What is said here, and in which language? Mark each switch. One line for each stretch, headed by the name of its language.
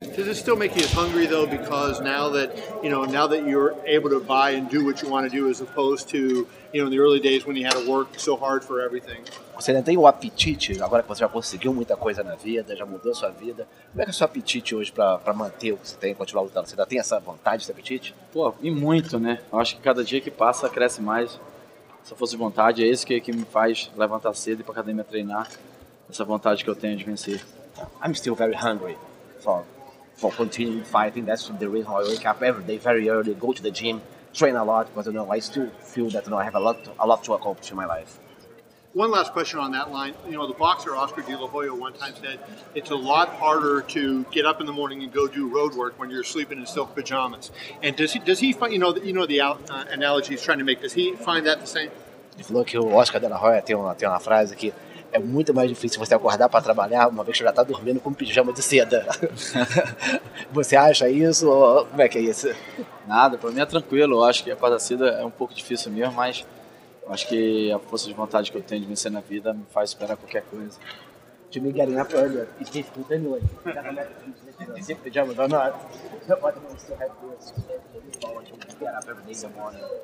English: Does it still make you as hungry though? Because now that you know, now that you're able to buy and do what you want to do, as opposed to you know, in the early days when you had to work so hard for everything.
Portuguese: Você ainda tem o apetite agora que você já conseguiu muita coisa na vida, já mudou a sua vida. Como é que é o seu apetite hoje para manter o que você tem, continuar lutando? Você ainda tem essa vontade, esse apetite? Pô, e muito, né? Eu acho que cada dia que passa cresce mais. Se eu fosse vontade, é isso que me faz levantar cedo e ir para academia treinar. Essa vontade que eu tenho de vencer.
English: I'm still very hungry for continuing fighting. That's the reason why I wake up every day very early, go to the gym, train a lot, because you know, I still feel that you know, I have a lot to accomplish in my life. One last question on that line. You know, the boxer Oscar De La Hoya one time said, it's a lot harder to get up in the morning and go do road work when you're sleeping in silk pajamas. And does he find, you know the analogy he's trying to make, does he find that the same?
Portuguese: Ele falou que o Oscar De La Hoya tem uma frase aqui. É muito mais difícil você acordar para trabalhar uma vez que você já está dormindo com um pijama de seda. Você acha isso? Ou como é que é isso? Nada, para mim é tranquilo. Eu acho que acordar cedo é um pouco difícil mesmo, mas eu acho que a força de vontade que eu tenho de vencer na vida me faz superar qualquer coisa.
English: To me getting up earlier, it's difficult anyway. I don't have pajamas or not. But I still have to get up every day in the morning.